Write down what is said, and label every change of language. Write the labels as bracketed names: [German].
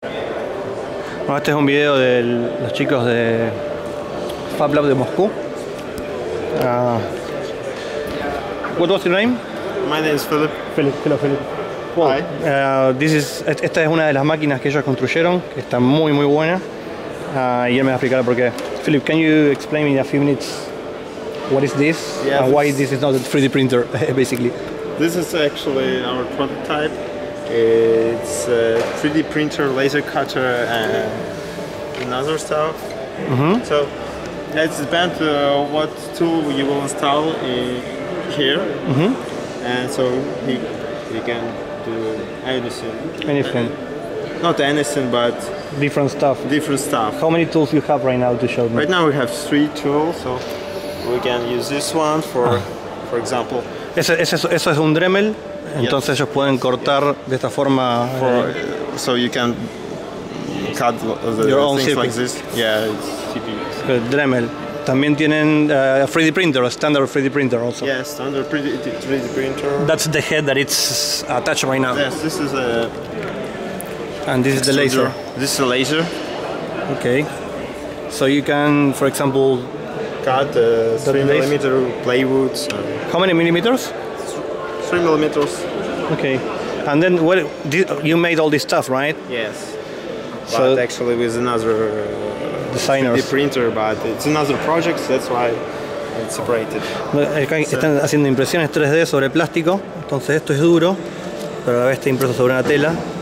[Spanish] Bueno, este es un video de los chicos de Fab Lab de Moscú. [English] What was your name? My name is Philip. Philip, hello Philip. Well, hi. [Spanish] Esta es una de las máquinas que ellos construyeron, que está muy muy buena. Y él me va a explicar por qué. [English] Philip, can you explain in a few minutes what is this? Yeah, and why this is not a 3D printer, basically? This is actually our prototype. It's a 3D printer, laser cutter, and other stuff. Mm-hmm. So it depends what tool you will install here. Mm-hmm. And so you can do anything. Anything. Not anything, but different stuff. Different stuff. How many tools you have right now to show me? Right now we have 3 tools, so we can use this one for example. [Spanish] Eso es un Dremel. Entonces ellos pueden cortar de esta forma. [English] So you can cut the your things own like this. Yeah, it's CPU. Dremel. [Spanish] También tienen [English] a 3D printer, a standard 3D printer also. Yes, standard 3D printer. That's the head that it's attached right now. Yes, this is a. And this is the laser. This is a laser. Okay. So you can, for example, cut 3mm plywood. How many millimeters? 3mm. Okay. And then you made all this stuff, right? Yes. So but actually with another designer, 3D printer, but it's another project, that's why it's separated. [Spanish] Están haciendo impresiones 3D sobre plástico, entonces esto es duro, pero a la vez está impreso sobre una tela.